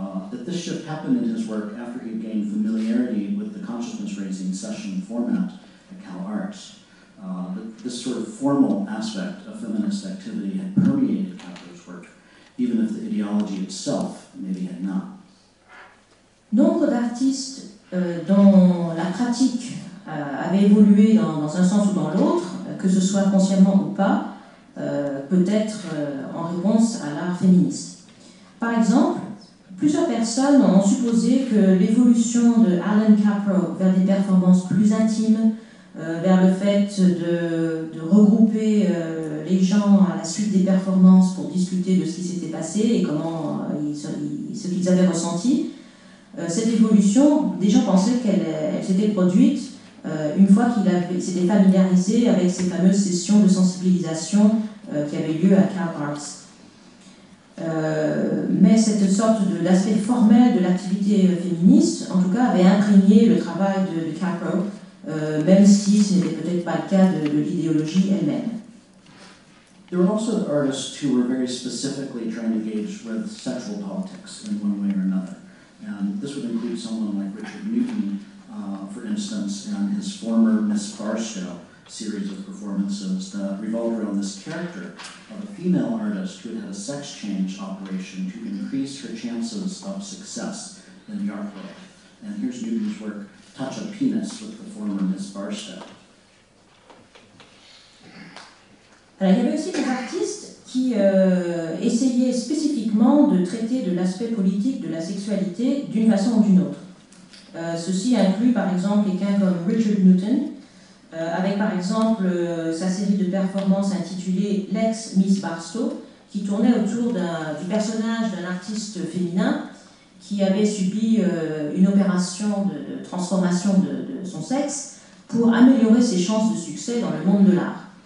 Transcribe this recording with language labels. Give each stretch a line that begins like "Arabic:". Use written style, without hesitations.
English: That this shift happened in his work after he gained familiarity with the consciousness-raising session format at CalArts. This sort of formal aspect of feminist activity had permeated Kaprow's work, even if the ideology itself maybe had not.
French: Nombre d'artistes dont la pratique avait évolué dans un sens ou dans l'autre, que ce soit consciemment ou pas, peut-être en réponse à l'art féministe. Par exemple, plusieurs personnes ont supposé que l'évolution de Alan Kaprow vers des performances plus intimes, vers le fait de regrouper les gens à la suite des performances pour discuter de ce qui s'était passé et comment ce qu'ils avaient ressenti, cette évolution, des gens pensaient qu'elle s'était produite une fois qu'il avait, s'était familiarisé avec ces fameuses sessions de sensibilisation qui avaient lieu à Carl Arts. Mais cette sorte de, d'aspect formel de l'activité féministe, en tout cas, avait imprégné le travail de Capro, même si ce n'était peut-être pas le cas de l'idéologie elle-même.
English: There were also artists who were very specifically trying to engage with sexual politics in one way or another. And this would include someone like Richard Newton, for instance, and his former Miss Barstow series of performances that revolved around this character of a female artist who had a sex change operation to increase her chances of success in the art world. And here's Newton's work, Touch a Penis, with the former Miss Barstow.
French: Alors, il y avait aussi des artistes qui essayaient spécifiquement de traiter de l'aspect politique de la sexualité d'une façon ou d'une autre. Ceci inclut par exemple quelqu'un comme Richard Newton, avec par exemple sa série de performances intitulée « Lex Miss Barstow » qui tournait autour du personnage d'un artiste féminin qui avait subi une opération de transformation de son sexe pour améliorer ses chances de succès dans le monde de l'art.